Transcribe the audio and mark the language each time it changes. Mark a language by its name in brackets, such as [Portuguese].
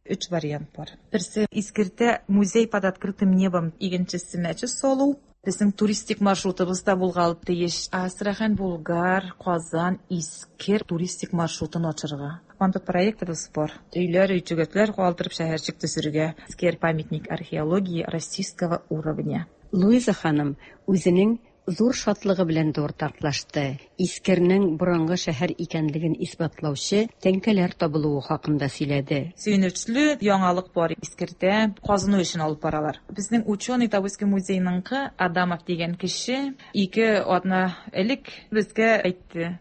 [Tatar] 3 вариант бар. Берсе искертә [Russian] музей под открытым небом, [Tatar] икенчесе мәчет салу. Безнең туристик маршрутыбыз да булгалы тиеш. Астрахан, Болгар, Казан, Искер туристик маршрутын ачырга. Анда проектыбыз бар. Өйләр, үтүгәтләр калдырып шәһәрчек төзергә. [Russian] Искер памятник археологии российского уровня. [Tatar] Луиза ханым үзенең зур шатлыгы белән дә уртаклашты. Искернең борынгы шәһәр икәнлеген исбатлаучы тәңкәләр табылуы хакында сөйләде. Сөенечле яңалык бар. Искердә казыну өчен алып баралар. Безнең ученый Табойский музейныңкы Адамов дигән кеше 2 атна элек безгә әйтте.